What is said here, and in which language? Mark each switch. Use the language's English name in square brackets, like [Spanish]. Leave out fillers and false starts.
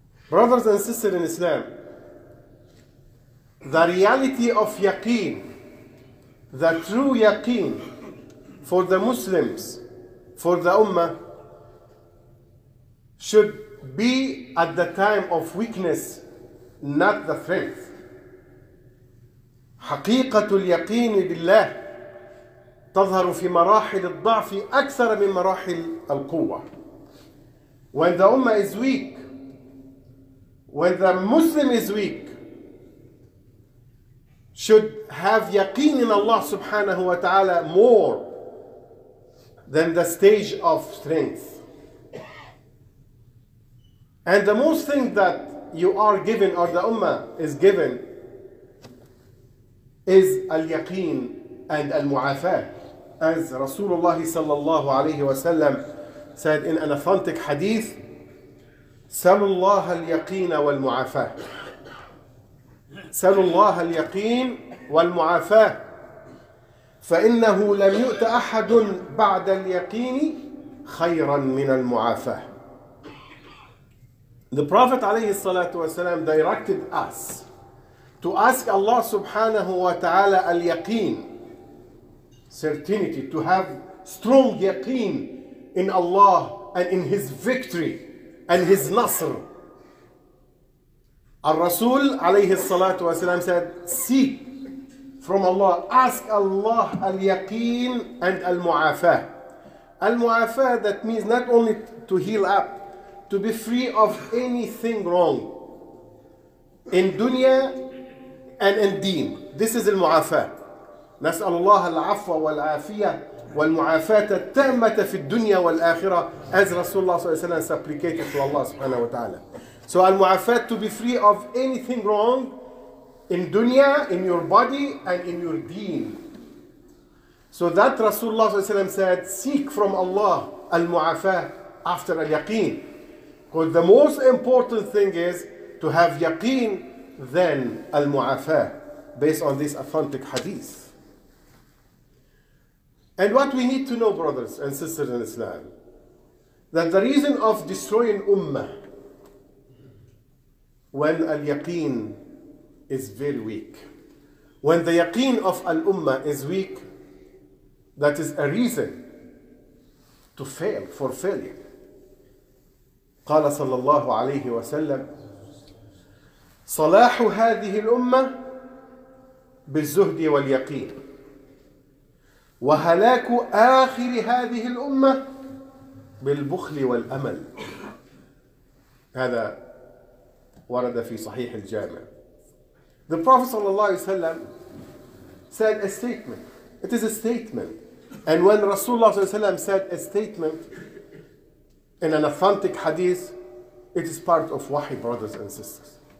[English] Brothers and sisters in Islam, the reality of yaqeen, the true yaqeen for the Muslims, for the Ummah, should be at the time of weakness, not the strength. [Arabic] حقيقة اليقين بالله تظهر في مراحل الضعف أكثر من مراحل القوة. [English] When the Ummah is weak, when the Muslim is weak, should have yaqeen in Allah subhanahu wa ta'ala more than the stage of strength. And the most thing that you are given, or the ummah is given, is al-yaqeen and al-mu'afah. As Rasulullah sallallahu alayhi wa sallam said in an authentic hadith, سَلُوا al-yaqeen wal-mu'afah. [Arabic] سَلُوا اللَّهَ al-yaqeen wal-mu'afah. فإنه لم يؤت أحد بعد اليقين خَيْرًا مِنَ الْمُعَافَةِ. [English] The Prophet عليه الصلاة والسلام directed us to ask Allah subhanahu wa ta'ala al-yaqeen, certainty, to have strong yaqeen in Allah and in His victory and His nasr. Al-Rasul عليه الصلاة والسلام said, seek from Allah, ask Allah al-yaqeen and al-mu'afah. Al-mu'afah, that means not only to heal up, to be free of anything wrong in dunya and in deen. This is al-mu'afah. [Arabic] نسأل الله العفو والعافية والمعافاة التامة في الدنيا والآخرة, [English] as [Arabic] رسول الله صلى الله عليه وسلم [English] supplicated to Allah [Arabic] سبحانه وتعالى. [English] So al-mu'afah, to be free of anything wrong in dunya, in your body, and in your deen. So that Rasulullah صلى الله عليه وسلم said, seek from Allah al-mu'afah after al-yaqeen. Because the most important thing is to have yaqeen, then al-mu'afah, based on this authentic hadith. And what we need to know, brothers and sisters in Islam, that the reason of destroying ummah when al-yaqeen is very weak, when the yaqeen of al-ummah is weak, that is a reason to fail, for failure. [Arabic] قال صلى الله عليه وسلم صلاح هذه الأمة بالزهد واليقين وهلاك آخر هذه الأمة بالبخل والأمل. هذا ورد في صحيح الجامع. [English] The Prophet صلى الله عليه وسلم said a statement. It is a statement. And when Rasulullah صلى الله عليه وسلم said a statement in an authentic hadith, it is part of wahi, brothers and sisters.